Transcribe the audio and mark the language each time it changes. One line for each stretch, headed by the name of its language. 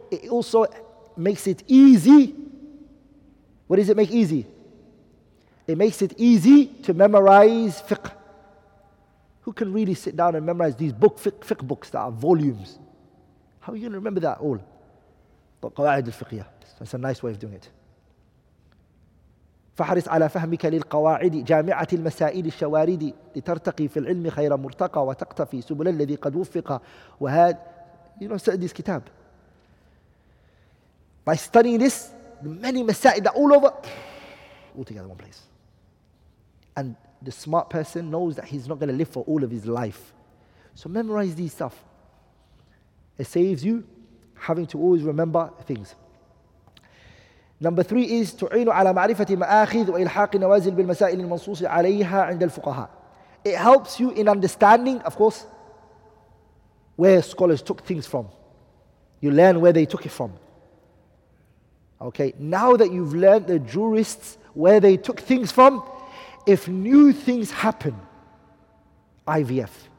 English: It also makes it easy. What does it make easy? It makes it easy to memorize fiqh. Who can really sit down and memorize these fiqh books that are volumes? How are you going to remember that all? But قواعد الفقهية. That's a nice way of doing it.
Arabic: فحرص على فهمك للقواعد جامعة المسائل الشوارد لترتقي في العلم خير مرتقى وتقتفي سبل الذي قد وفق وهذا.
English: You know, study this kitab. By studying this, many masail that all together in one place. And the smart person knows that he's not going to live for all of his life. So memorize these stuff. It saves you having to always remember things. Number three is
Arabic: تعين على معرفة مآخذ وإلحاق النوازل بالمسائل المنصوص عليها عند الفقهاء.
English: It helps you in understanding, of course, where scholars took things from. You learn where they took it from. Okay, now that you've learned the jurists, where they took things from, if new things happen, IVF.